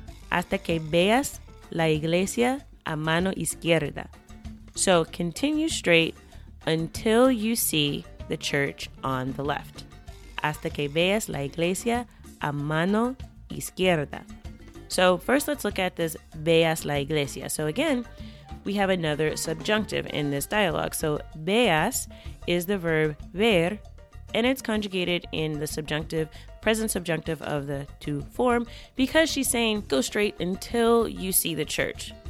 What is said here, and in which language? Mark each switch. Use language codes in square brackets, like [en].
[es] Hasta que veas la iglesia a mano izquierda. [en] So continue straight until you see the church on the left. [es] Hasta que veas la iglesia a mano izquierda. [en] So first let's look at this veas la iglesia. So again, we have another subjunctive in this dialogue. So veas is the verb ver, and it's conjugated in the subjunctive, present subjunctive of the to form, because she's saying go straight until you see the church.